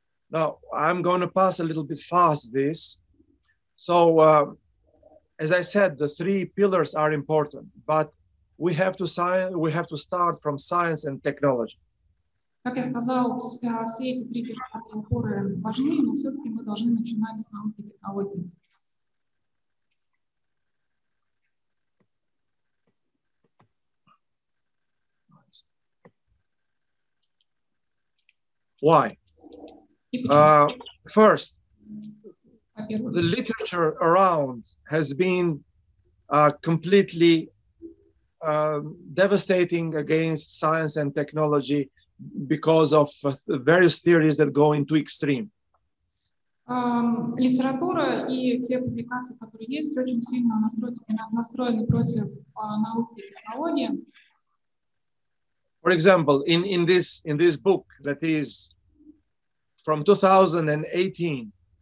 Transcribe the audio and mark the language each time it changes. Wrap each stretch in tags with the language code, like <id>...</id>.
<en>Now, I'm going to pass a little bit fast this. So, as I said, the three pillars are important, but we have to start from science and technology.</en> <ru>Как я сказал, все эти три опоры важны, но все-таки мы должны начинать с науки и технологии.</ru> <en>Why? First, the literature around has been completely devastating against science and technology because of various theories that go into extreme.</en> <ru>Литература и те публикации, которые есть, очень сильно настроены против науки и технологии.</ru> <en>For example, in this book that is from 2018.</en>